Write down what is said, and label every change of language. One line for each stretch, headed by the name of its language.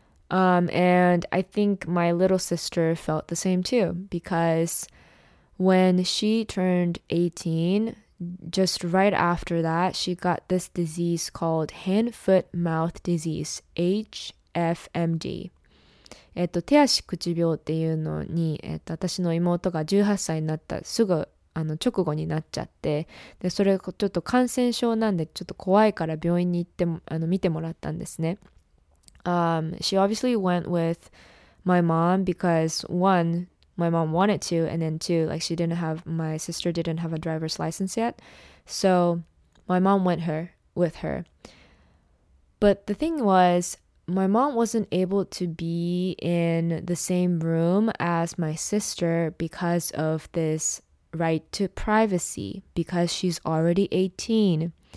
English: And I think my little sister felt the same too, because when she turned 18, just right after that, she got this disease called hand foot mouth disease, HFMD.
Japanese: 手足口病っていうのに、私の妹が18歳になったすぐ直後になっちゃって、でそれちょっと感染症なんで、ちょっと怖いから病院に行って見てもらったんですね。
English: She obviously went with my mom because one, my mom wanted to, and then two, like she didn't have, my sister didn't have a driver's license yet. So my mom went with her. But the thing was,my mom wasn't able to be in the same room as my sister because of this right to privacy, because she's already 18.